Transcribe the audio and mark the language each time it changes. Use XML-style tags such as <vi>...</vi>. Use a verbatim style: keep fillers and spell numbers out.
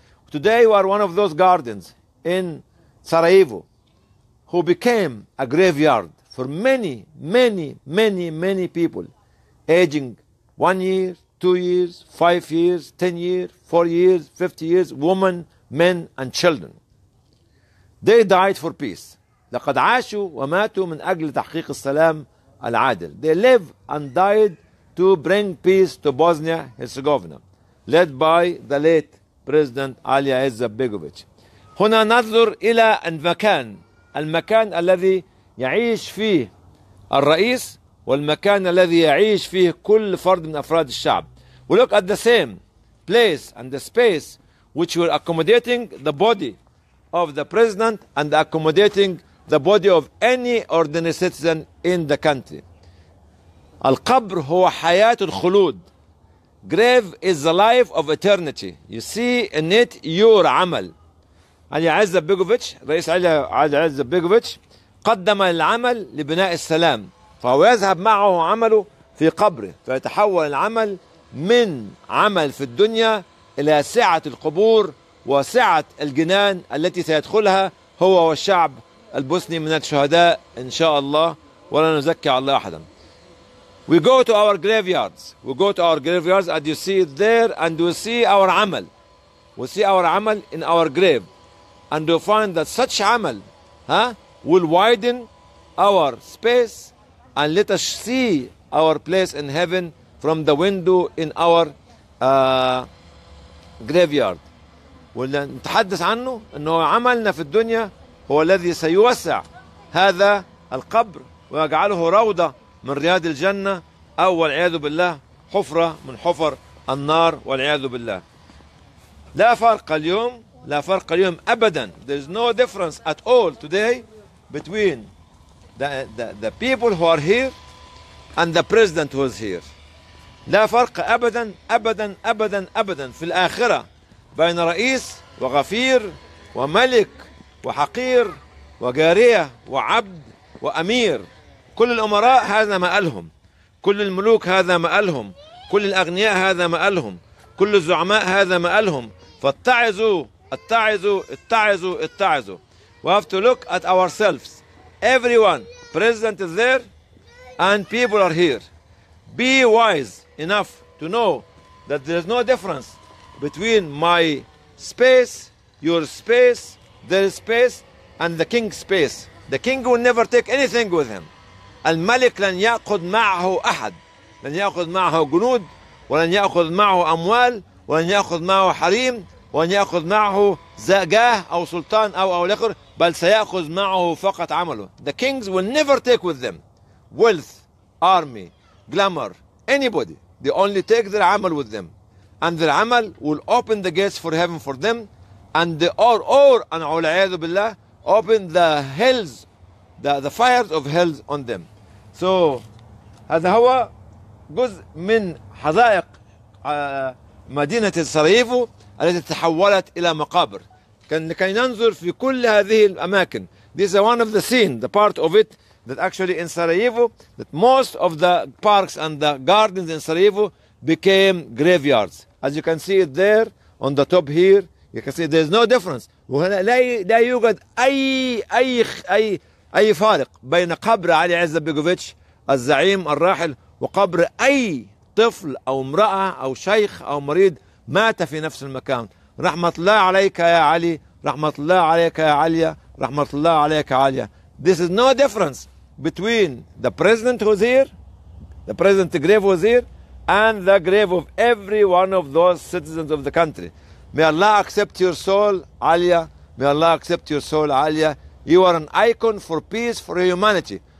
<en>Today we are one of those gardens in Sarajevo, who became a graveyard for many, many, many, many people, aging one year, two years, five years, ten years, four years, fifty years, women, men, and children. They died for peace.</en> <ar>لقد عاشوا وماتوا من أجل تحقيق السلام العادل.</ar> <en>They lived and died to bring peace to Bosnia-Herzegovina, led by the late President Alija Izza Begović.</en> <ar>هنا ننظر إلى المكان المكان الذي يعيش فيه الرئيس, والمكان الذي يعيش فيه كل فرد من أفراد الشعب.</ar> <en>We look at the same place and the space which were accommodating the body of the president and accommodating the body of any ordinary citizen in the country.</en> <ar>القبر هو حياة الخلود.</ar> <en>Grave is the life of eternity. You see in it your عمل.</en> <ar>علي عز بيجوفيتش رئيس علي عز بيجوفيتش قدم العمل لبناء السلام، فهو يذهب معه عمله في قبره، فيتحول العمل من عمل في الدنيا إلى سعة القبور وسعة الجنان التي سيدخلها هو والشعب البوسني من الشهداء إن شاء الله، ولا نزكي على الله أحدا.</ar> <en>We go to our graveyards. We go to our graveyards and you see it there and we see our عمل. We see our عمل in our grave. And we find that such عمل huh, will widen our space and let us see our place in heaven from the window in our uh, graveyard.</en> <ar>واللي نتحدث عنه أنه عملنا في الدنيا هو الذي سيوسع هذا القبر ويجعله روضة من رياض الجنة، أو والعياذ بالله حفرة من حفر النار والعياذ بالله. لا فرق اليوم، لا فرق اليوم أبدا.</ar> <en>There is no difference at all today between the, the, the people who are here and the president who is here.</en> <ar>لا فرق أبدا أبدا أبدا أبدا في الآخرة بين رئيس وغفير وملك وحقير وجارية وعبد وأمير. كل الأمراء هذا ما قالهم، كل الملوك هذا ما قالهم، كل الأغنياء هذا ما قالهم، كل الزعماء هذا ما قالهم. فاتعظوا اتعظوا اتعظوا اتعظوا.</ar> <en>We have to look at ourselves. Everyone, president is there and people are here. Be wise enough to know that there is no difference between my space, your space, their space, and the king's space. The king will never take anything with him.</en> <ar>الملك لن يأخذ معه أحد، لن يأخذ معه جنود، ولن يأخذ معه أموال، ولن يأخذ معه حريم، ولن يأخذ معه زجاه أو سلطان أو أو الآخر، بل سيأخذ معه فقط عمله.</ar> <en>The kings will never take with them wealth, army, glamour, anybody. They only take their عمل with them, and their عمل will open the gates for heaven for them, and they or or and</en> <ar>والعياذ بالله</ar> <en>open the hells, the the fires of hells on them.</en> <ar>So هذا هو جزء من حدائق مدينة سراييفو التي تحولت إلى مقابر. كان لكي ننظر في كل هذه الأماكن.</ar> <en>This is one of the scene, the part of it that actually in Sarajevo, that most of the parks and the gardens in Sarajevo became graveyards. As you can see it there on the top here, you can see there is no difference.</en> <ar>لا لا يوجد أي أي أي أي فارق بين قبر علي عز بيجوفيتش الزعيم الراحل وقبر أي طفل أو امرأة أو شيخ أو مريض مات في نفس المكان. رحمة الله عليك يا علي، رحمة الله عليك يا عليا، رحمة الله عليك يا عليا.</ar> <en>This is no difference between the president who's here, the president's grave who's here, and the grave of every one of those citizens of the country. May Allah accept your soul, Alia. May Allah accept your soul, Alia. You are an icon for peace, for humanity.</en>